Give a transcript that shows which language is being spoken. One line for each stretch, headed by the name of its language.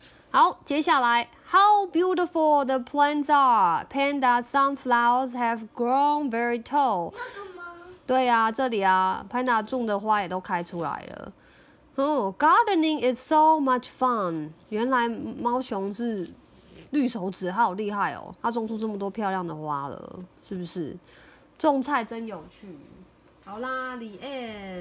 Chinese: 好，接下来
English: ，How beautiful the plants are! Panda sunflowers have grown very tall.
Chinese: 那个吗？对啊，这里啊 ，Panda 种的花也都开出来了。
English: Gardening is so much fun.
Chinese: 原来猫熊是绿手指，好厉害哦！它种出这么多漂亮的花了，是不是？种菜真有趣。好啦，
English: The end.